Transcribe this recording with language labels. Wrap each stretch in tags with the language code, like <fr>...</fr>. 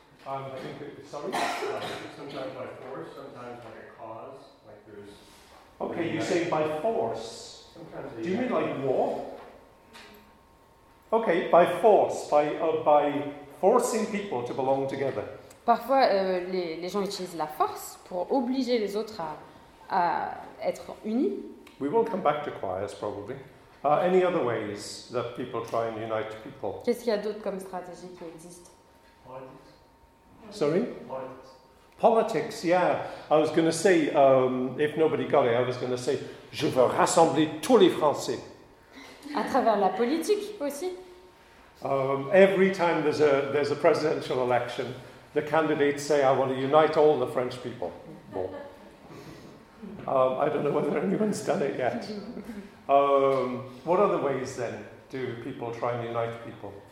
<en>I think sometimes by force, sometimes by a cause. Like there's. Okay, you say by force. Sometimes. Do you mean like war? Okay, by force, by forcing people to belong together.</en> <fr>Parfois, les gens utilisent la force pour obliger les autres à être unis.</fr> <en>We will come back to choirs, probably. Any other ways that people try and unite people?</en> <fr>Qu'est-ce qu'il y a d'autre comme stratégie qui existe?</fr> <en>Politics. Sorry? Politics. Politics, yeah. I was going to say, if nobody got it, I was going to say,</en> <fr>je veux rassembler tous les Français. À travers la politique aussi?</fr> <en>Every time there's a presidential election, the candidates say, I want to unite all the French people.</en> <fr>Bon.</fr> <en>I don't know whether anyone's done it yet. What other ways then do people try and unite people?</en>